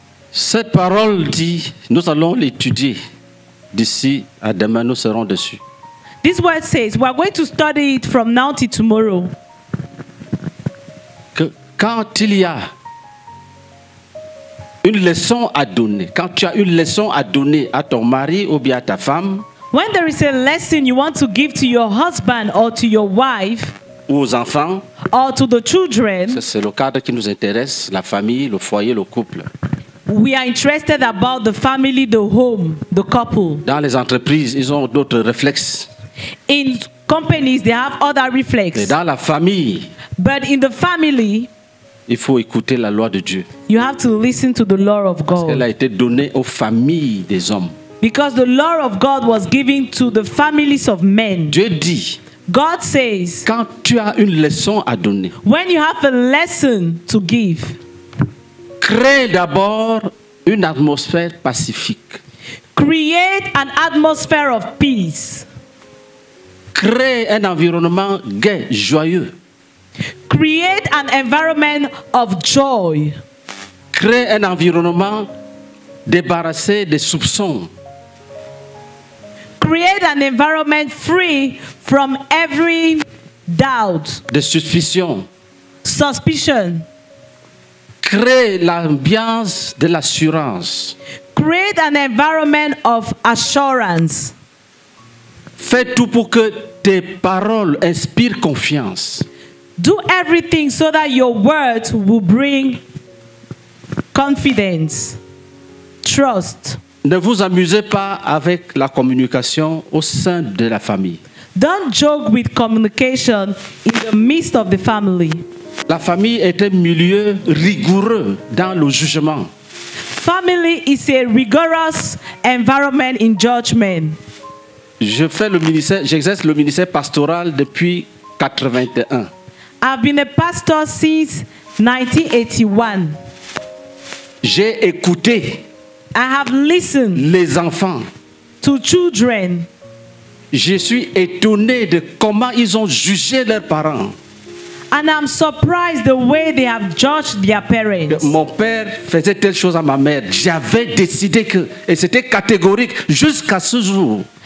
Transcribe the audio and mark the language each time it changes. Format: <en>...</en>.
<fr>Cette parole dit, nous allons l'étudier. D'ici à demain, nous serons dessus.</fr> <en>This word says, we are going to study it from now to tomorrow.</en> <fr>Que quand il y a une leçon à donner, quand tu as une leçon à donner à ton mari ou bien à ta femme,</fr> <en>when there is a lesson you want to give to your husband or to your wife,</en> <fr>ou aux enfants,</fr> <en>or to the children,</en> <fr>c'est le cadre qui nous intéresse, la famille, le foyer, le couple.</fr> <en>We are interested about the family, the home, the couple.</en> <fr>Dans les entreprises, ils ont d'autres réflexes.</fr> <en>In companies, they have other reflexes.</en> <fr>Mais dans la famille,</fr> <en>but in the family,</en> <fr>il faut écouter la loi de Dieu.</fr> <en>You have to listen to the law of God.</en> <fr>Parce qu'elle a été donnée aux familles des hommes.</fr> <en>Because the law of God was given to the families of men.</en> <fr>Dieu dit,</fr> <en>God says,</en> <fr>quand tu as une leçon à donner,</fr> <en>when you have a lesson to give,</en> <fr>crée d'abord une atmosphère pacifique.</fr> <en>Create an atmosphere of peace.</en> <fr>Crée un environnement gai, joyeux.</fr> <en>Create an environment of joy.</en> <fr>Crée un environnement débarrassé des soupçons.</fr> <en>Create an environment free from every doubt.</en> <fr>De suspicion.</fr> <en>Suspicion.</en> <fr>Crée l'ambiance de l'assurance.</fr> <en>Create an environment of assurance.</en> <fr>Fais tout pour que tes paroles inspirent confiance.</fr> <en>Do everything so that your words will bring confidence, trust.</en> <fr>Ne vous amusez pas avec la communication au sein de la famille.</fr> <en>Don't joke with communication in the midst of the family.</en> <fr>La famille est un milieu rigoureux dans le jugement.</fr> <en>Family is a rigorous environment in judgment.</en> <fr>Je fais le ministère, j'exerce le ministère pastoral depuis 81.</fr> <en>I've been a pastor since 1981.</en> <fr>J'ai écouté.</fr> <en>I have listened.</en> <fr>Les enfants.</fr> <en>To children.</en> <fr>Je suis étonné de comment ils ont jugé leurs parents.</fr> <en>And I'm surprised the way they have judged their parents.</en> <fr>Mon père faisait telle chose à ma mère. J'avais décidé que, et c'était catégorique jusqu'à ce jour.</fr>